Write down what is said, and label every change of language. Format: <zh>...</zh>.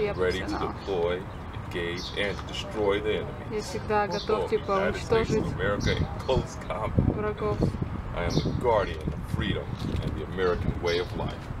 <en>I stand ready to deploy, engage and destroy the enemy.</en> <ru>Я всегда готов, типа, уничтожить врагов.</ru> <en>I am the guardian of freedom and the American way of life.</en>